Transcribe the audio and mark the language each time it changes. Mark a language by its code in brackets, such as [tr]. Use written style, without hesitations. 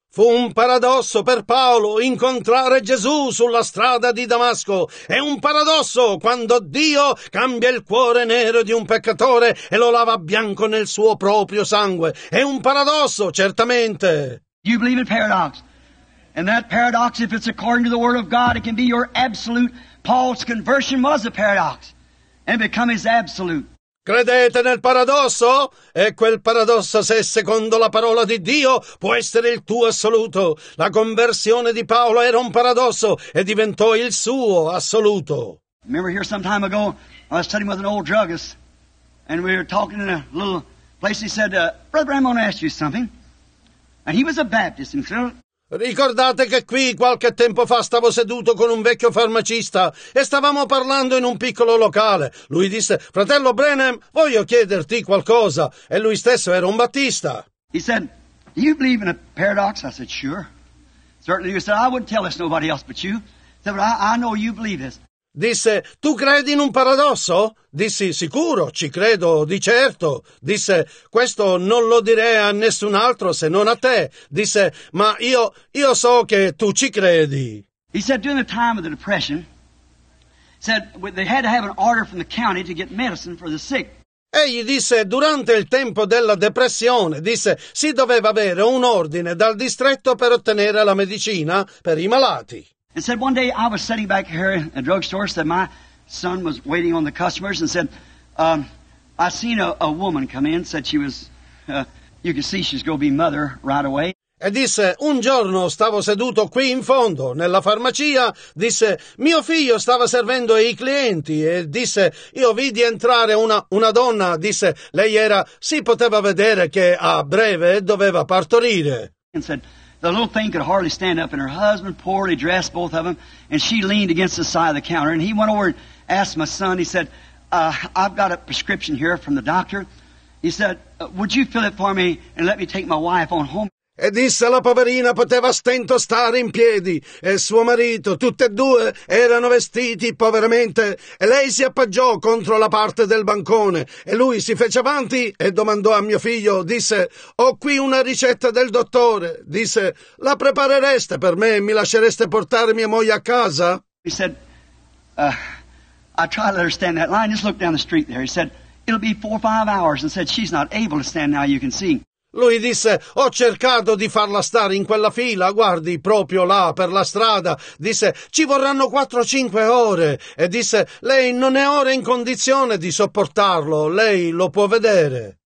[it] Fu un paradosso per Paolo incontrare Gesù sulla strada di Damasco. È un paradosso quando Dio cambia il cuore nero di un peccatore e lo lava bianco nel suo proprio sangue. È un paradosso, certamente. [en] You believe in paradox. And that paradox, if it's according to the Word of God, it can be your absolute. Paul's conversion was a paradox and become his absolute. [it] Credete nel paradosso? E quel paradosso, se secondo la parola di Dio, può essere il tuo assoluto. La conversione di Paolo era un paradosso e diventò il suo assoluto. [en] Remember here some time ago, I was studying with an old druggist, and we were talking in a little place. He said, Brother Bram, I want to ask you something. And he was a Baptist, and so... [it] Ricordate che qui qualche tempo fa stavo seduto con un vecchio farmacista e stavamo parlando in un piccolo locale. Lui disse, fratello Branham, voglio chiederti qualcosa. E lui stesso era un battista. [en] He said, do you believe in a paradox? I said, sure. Certainly. He said, I wouldn't tell this nobody else but you. He said, but I know you believe this. [it] Disse, tu credi in un paradosso? Dissi, sicuro, ci credo, di certo. Disse, questo non lo direi a nessun altro se non a te. Disse, ma io so che tu ci credi. [en] He said, during the time of the depression, said they had to have an order from the county to get medicine for the sick. [it] Egli disse, durante il tempo della depressione, disse, si doveva avere un ordine dal distretto per ottenere la medicina per i malati. [en] And said, one day I was sitting back here in a drugstore, said my son was waiting on the customers, and said, I seen a woman come in, said she was, you can see she's going to be mother right away. [it] E disse, un giorno stavo seduto qui in fondo, nella farmacia, disse, mio figlio stava servendo i clienti, e disse, io vidi entrare una donna, disse, lei era, si poteva vedere che a breve doveva partorire. [en] And said, the little thing could hardly stand up, and her husband, poorly dressed, both of them, and she leaned against the side of the counter, and he went over and asked my son, he said, I've got a prescription here from the doctor. He said, would you fill it for me and let me take my wife on home? [it] E disse la poverina poteva stento stare in piedi, e suo marito, tutte e due, erano vestiti poveramente, e lei si appoggiò contro la parte del bancone, e lui si fece avanti e domandò a mio figlio, disse, ho qui una ricetta del dottore, disse, la preparereste per me e mi lascereste portare mia moglie a casa? [en] He said, I try to understand that line, just look down the street there, he said, it'll be 4 or 5 hours, and said, she's not able to stand now, you can see. [it] Lui disse, ho cercato di farla stare in quella fila, guardi, proprio là, per la strada. Disse, ci vorranno 4 o 5 ore. E disse, lei non è ora in condizione di sopportarlo, lei lo può vedere.